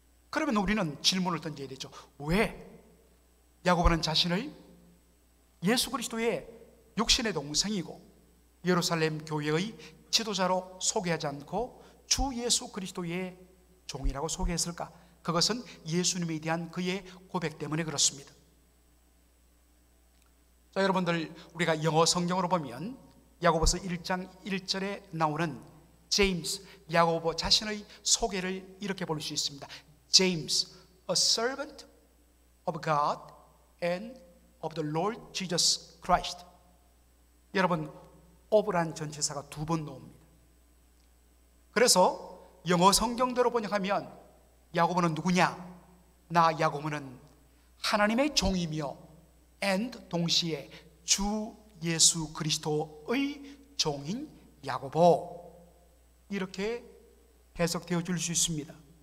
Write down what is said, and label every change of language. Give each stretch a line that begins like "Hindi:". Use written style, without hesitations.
Korean: 그러면 우리는 질문을 던져야 되죠. 왜 야고보는 자신을 예수 그리스도의 육신의 동생이고 예루살렘 교회의 지도자로 소개하지 않고 주 예수 그리스도의 종이라고 소개했을까? 그것은 예수님에 대한 그의 고백 때문에 그렇습니다. 자, 여러분들 우리가 영어 성경으로 보면 야고보서 1장 1절에 나오는 제임스, 야고보 자신의 소개를 이렇게 볼 수 있습니다.
English: James, a servant of God and of the Lord Jesus Christ.
Korean: 여러분, of란 전치사가 두 번 나옵니다. 그래서 영어 성경대로 번역하면 야고보는 누구냐? 나 야고보는 하나님의 종이며 and 동시에 주 예수 그리스도의 종인 야고보, 이렇게 해석되어 줄 수 있습니다.